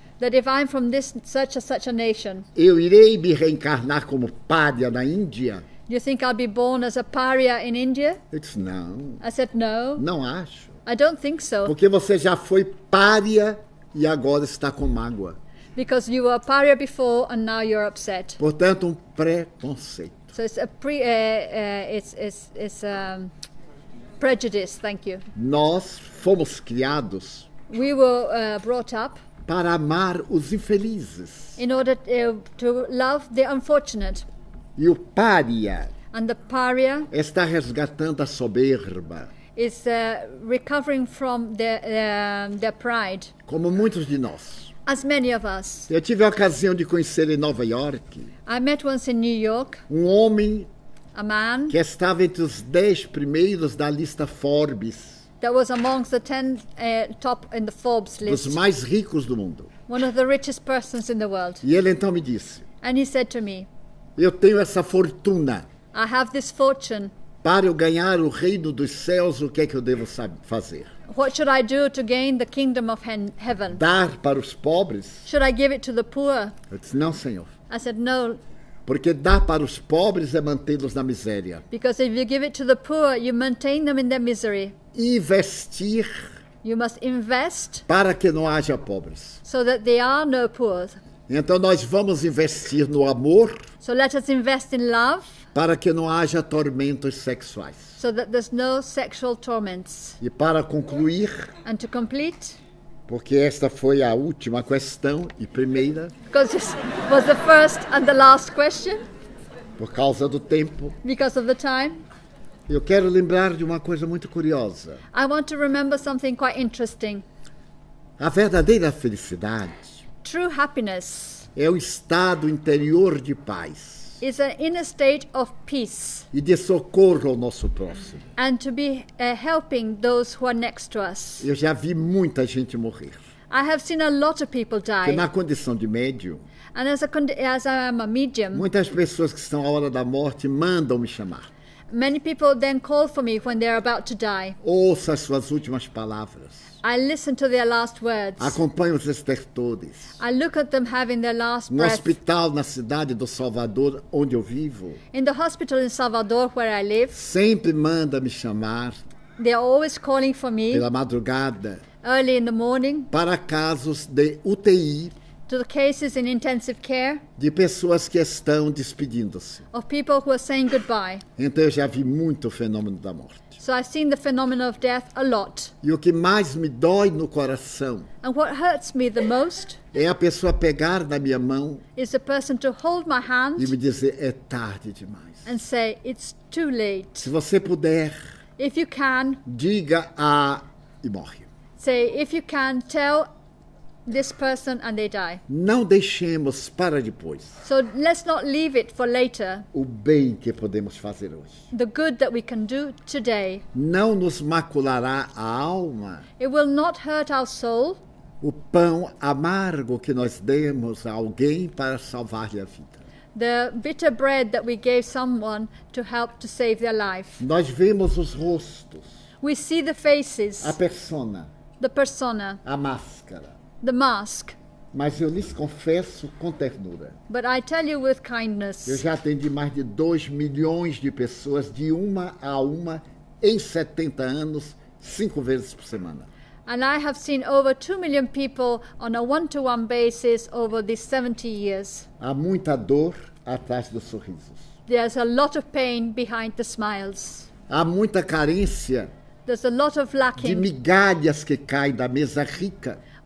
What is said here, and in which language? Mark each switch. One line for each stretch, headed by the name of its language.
English: that if I'm from this such and such a nation,
Portuguese: eu irei me reencarnar como pária na Índia?
English: Do you think I'll be born as a pariah in India? It's
Portuguese: não.
English: I said no.
Portuguese: Não acho.
English: I don't think so.
Portuguese: Porque você já foi pária e agora está com mágoa.
English: Because you were a pariah before and now you're upset.
Portuguese: Portanto, um preconceito.
English: So it's a prejudice, thank you.
Portuguese: Nós fomos criados.
English: We were brought up.
Portuguese: Para amar os infelizes.
English: In order to love the unfortunate.
Portuguese: E o pária.
English: And the paria.
Portuguese: Está resgatando a soberba.
English: Is recovering from their pride.
Portuguese: Como muitos de nós.
English: As many of us.
Portuguese: Eu tive a ocasião de conhecer em Nova York.
English: I met once in New York.
Portuguese: Um homem.
English: A man
Portuguese: que estava entre os 10 primeiros da lista Forbes.
English: That was amongst the 10 top in the Forbes list.
Portuguese: Dos mais ricos do mundo.
English: One of the richest persons in the world.
Portuguese: E ele então me disse.
English: And he said to me.
Portuguese: Eu tenho essa fortuna.
English: I have this fortune.
Portuguese: Para eu ganhar o reino dos céus, o que é que eu devo fazer?
English: What should I do to gain the kingdom of heaven?
Portuguese: Dar para os pobres?
English: Should I give it to the poor?
Portuguese: Eu disse, não, Senhor.
English: I said no.
Portuguese: Porque dar para os pobres é mantê-los na miséria.
English: Because if you give it to the poor, you maintain them in their misery.
Portuguese: Investir.
English: You must invest.
Portuguese: Para que não haja pobres.
English: So that there are no poor.
Portuguese: Então nós vamos investir no amor.
English: So let us invest in love.
Portuguese: Para que não haja tormentos sexuais.
English: So that there's no sexual torments.
Portuguese: E para concluir.
English: And to complete.
Portuguese: Porque esta foi a última questão e primeira.
English: Because this was the first and the last question.
Portuguese: Por causa do tempo.
English: Because of the time.
Portuguese: Eu quero lembrar de uma coisa muito curiosa.
English: I want to remember something quite interesting.
Portuguese: A verdadeira felicidade.
English: True happiness.
Portuguese: É o estado interior de paz.
English: Is an inner state of peace.
Portuguese: E de socorro ao nosso próximo.
English: And to be helping those who are next to us.
Portuguese: Eu já vi muita gente morrer.
English: I have seen a lot of people die.
Portuguese: Que na condição de médium.
English: And as I am a medium.
Portuguese: Muitas pessoas que estão à hora da morte mandam me chamar.
English: Many people then call for me when they are about to die.
Portuguese: Ouça as suas últimas palavras.
English: I listen to their last words.
Portuguese: Acompanho os estertores.
English: I look at them having their last breath.
Portuguese: No hospital na cidade do Salvador, onde eu vivo.
English: In the hospital in Salvador, where I live.
Portuguese: Sempre manda me chamar.
English: They are always calling for me.
Portuguese: Pela madrugada.
English: Early in the morning.
Portuguese: Para casos de UTI.
English: To the cases in intensive care.
Portuguese: De pessoas que estão despedindo-se.
English: Of people who are saying goodbye.
Portuguese: Então eu já vi muito o fenômeno da morte.
English: So I've seen the phenomenon of death a lot.
Portuguese: E o que mais me dói no coração.
English: And what hurts me the most.
Portuguese: É a pessoa pegar na minha mão.
English: Is a person to hold my hand.
Portuguese: E me dizer, é tarde demais.
English: And say, it's too late.
Portuguese: Se você puder.
English: If you can.
Portuguese: Diga a... E morre.
English: Say, if you can, tell... this person and they die.
Portuguese: Não deixemos para depois.
English: So let's not leave it for later.
Portuguese: O bem que podemos fazer hoje.
English: The good that we can do today.
Portuguese: Não nos maculará a alma.
English: It will not hurt our soul.
Portuguese: O pão amargo que nós demos a alguém para salvar-lhe a vida.
English: The bitter bread that we gave someone to help to save their life.
Portuguese: Nós vemos os rostos.
English: We see the faces.
Portuguese: A persona.
English: The persona.
Portuguese: A máscara.
English: The mask.
Portuguese: Mas eu lhes confesso com ternura.
English: But I tell you with kindness.
Portuguese: Eu já atendi mais de 2 milhões de pessoas de uma a uma em 70 anos, 5 vezes por semana.
English: And I have seen over 2 million people on a one-to-one basis over these 70 years.
Portuguese: Há muita dor atrás dos sorrisos.
English: There's a lot of pain behind the smiles.
Portuguese: Há muita carência.
English: There's a lot of lacking.
Portuguese: De migalhas que caem da mesa rica.